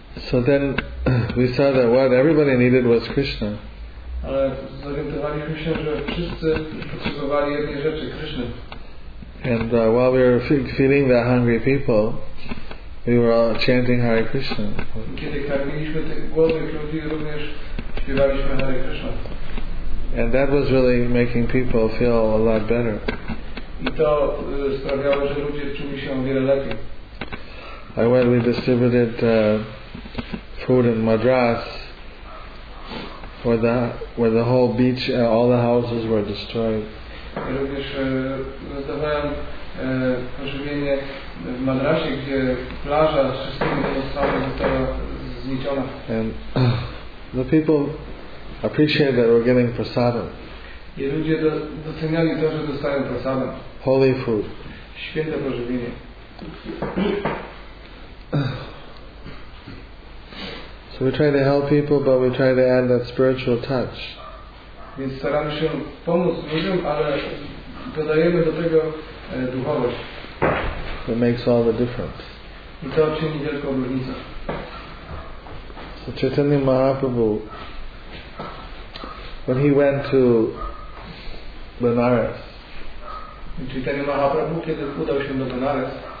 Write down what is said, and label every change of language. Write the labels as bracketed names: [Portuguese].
[English] So then we saw that what everybody needed was Krishna. [Polish] Ale zorientowaliśmy się, że wszyscy potrzebowali jednej rzeczy, Krishna. [English] And while we were feeding the hungry people, we were all chanting Hare Krishna. [Polish] Kiedy karmiliśmy tych głodnych ludzi, również śpiewaliśmy Hare Krishna. [English] And that was really making people feel a lot better. [Polish] I to sprawiało, że ludzie czuli się o wiele lepiej. [English] I went, we distributed food in Madras where the whole beach and all the houses were destroyed. [Polish] Ja również rozdawałem pożywienie w Madrasie, gdzie plaża z wszystkimi pozostałymi została zniszczona. [English] And the people appreciate that we're getting prasadam. [Polish] I ludzie doceniali to, że dostają prasadam. [English] Holy food. [Polish] Święte pożywienie. [English] So we try to help people, but we try to add that spiritual touch. [Polish] Więc staramy się pomóc ludziom, ale dodajemy do tego duchowość. [English] That makes all the difference. [Polish] I to czyni wielką różnicę. [English] So Chaitanya Mahaprabhu, when he went to Benares, [Polish] Chaitanya Mahaprabhu, kiedy udał się do Benares,